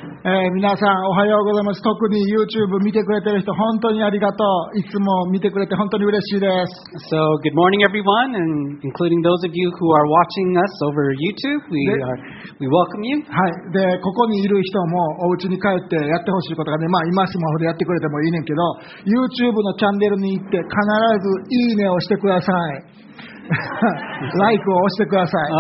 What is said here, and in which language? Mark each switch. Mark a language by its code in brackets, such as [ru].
[ja] 皆さんおはようございます。特に YouTube 見てくれてる人本当にありがとう。いつも見てくれて本当に嬉しいです。 [en] So good morning everyone, and including those of you who are watching us over YouTube, we welcome you. [ja] はい、でここにいる人もお家に帰ってやってほしいことがね、まあ今スマホでやってくれてもいいねんけど、 YouTube のチャンネルに行って必ずいいねをしてください。 Like を押してください。